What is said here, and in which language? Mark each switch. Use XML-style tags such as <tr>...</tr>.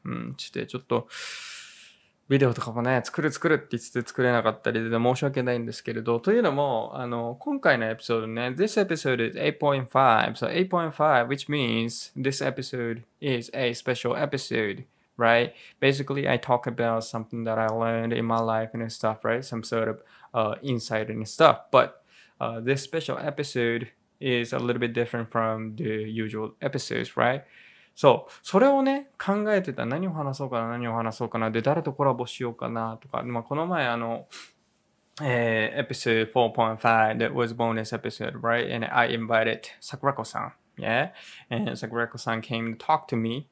<ja>うん、して、ちょっと、ビデオとかもね、作るって言って作れなかったりで申し訳ないんですけれど、というのも、今回のエピソードね、</ja> <en>This episode is 8.5. So 8.5, which means this episode is a special episode, right? Basically, I talk about something that I learned in my life and stuff, right? Some sort of insight and stuff. But this special episode is a little bit different from the usual episodes, right?</en> <ja>そう、それをね、考えてた。何を話そうかな。で、誰とコラボしようかなとか。まあ、この前、エピソード 4.5,</ja> <en>that was bonus episode, right? And I invited 桜子さん。 Yeah? And 桜子さん came to talk to me.</en>